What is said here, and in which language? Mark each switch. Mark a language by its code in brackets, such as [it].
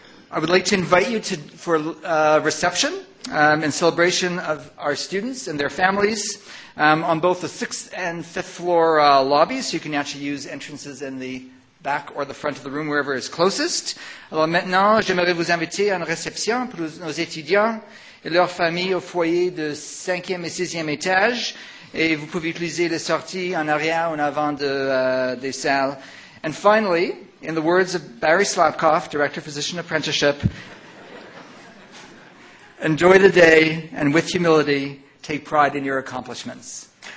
[en] I would like to invite you for a reception in celebration of our students and their families on both the 6th and 5th floor lobby, so you can actually use entrances in the back or the front of the room, wherever is closest. [fr] Alors maintenant, j'aimerais vous inviter à une réception pour nos étudiants et leurs familles au foyer de 5e et 6e étage. Et vous pouvez utiliser les sorties en arrière ou en avant des salles. [en] And finally, in the words of Barry Slavkoff, Director of Physician Apprenticeship, enjoy the day and with humility, take pride in your accomplishments.